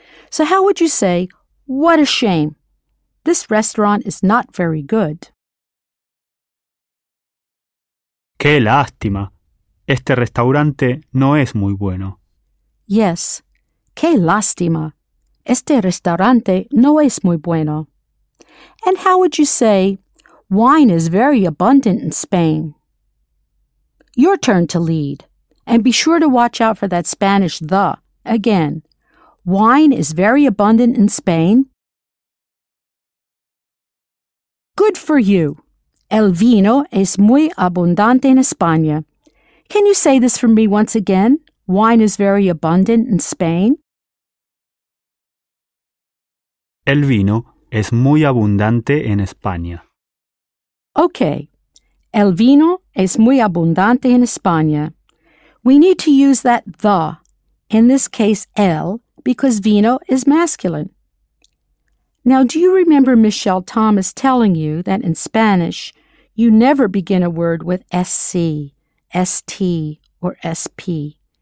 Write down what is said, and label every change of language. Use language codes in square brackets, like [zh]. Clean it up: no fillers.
[en] So how would you say, what a shame? This restaurant is not very good. [es] Qué lástima. Este restaurante no es muy bueno. [en] Yes. [es] Qué lástima. Este restaurante no es muy bueno. [en] And how would you say, wine is very abundant in Spain? Your turn to lead. And be sure to watch out for that Spanish the. Again, wine is very abundant in Spain. Good for you. [es] El vino es muy abundante en España. [en] Can you say this for me once again? Wine is very abundant in Spain. [es] El vino es muy abundante en España. [en] Okay. [es] El vino es muy abundante en España. [en] We need to use that the, in this case el, because vino is masculine. Now, do you remember Michelle Thomas telling you that in Spanish, you never begin a word with SC, ST, or SP?